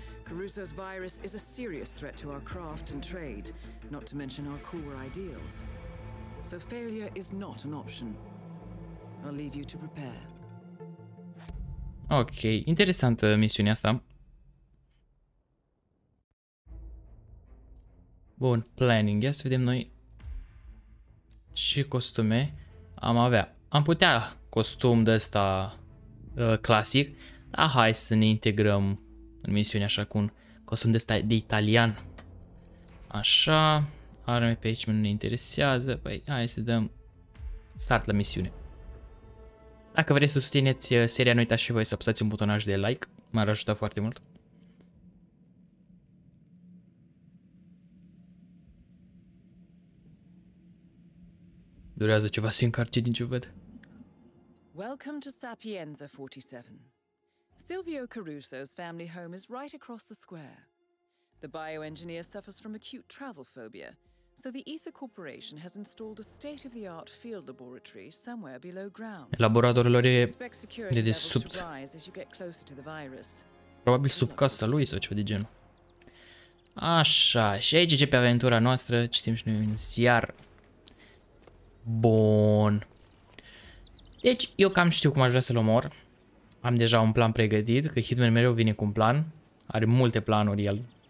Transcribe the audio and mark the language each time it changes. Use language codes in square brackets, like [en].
[en] Caruso's virus is a serious threat to our craft and trade, not to mention our core ideals. So failure is not an option. I'll leave you to prepare. [ro] Ok, interesantă misiunea asta. Bun, planning. Ia să vedem noi ce costume am avea. Am putea costum de ăsta clasic, dar hai să ne integrăm în misiune așa cu un costum de ăsta de italian. Așa, arme pe aici nu ne interesează. Păi hai să dăm start la misiune. Dacă vreți să susțineți seria, nu uitați și voi să apăsați un butonaj de like. M-ar ajuta foarte mult. Durează ceva să încarce din ce văd. [en] Welcome to Sapienza 47. Silvio Caruso's family home is right across the square. The bioengineer suffers from acute travel phobia, so the Ether Corporation has installed a state-of-the-art field laboratory somewhere below ground. [ro] Laboratorul lor e dedesubt. [en] As you get closer to the virus. [ro] Probabil sub casa lui sau ceva de genul. Așa, și aici începe aventura noastră, citim și noi în ziar. Bun. Deci, eu cam știu cum aș vrea să-l omor. Am deja un plan pregătit, că Hitman mereu vine cu un plan. Are multe planuri el.